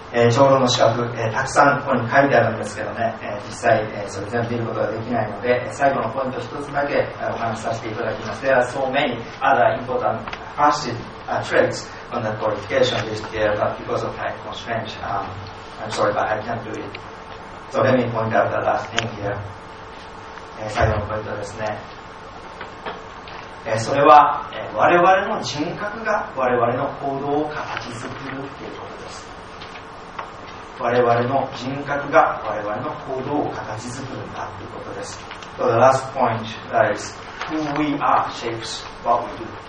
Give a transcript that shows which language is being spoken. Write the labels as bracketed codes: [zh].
[ja] 長老の資格、たくさんここに書いてあるんですけどね、実際、それ全部見ることができないので、最後のポイント一つだけお話しさせていただきます。 [en] There are so many other important facets, traits on the qualification list here, but because of time constraints, I'm sorry, but I can't do it. So let me point out the last thing here. [ja] 最後のポイントですね。それは、我々の人格が我々の行動を形作るということです。我々の人格が我々の行動を形作るんだということです。 [en] So the last point, that is, who we are shapes what we do.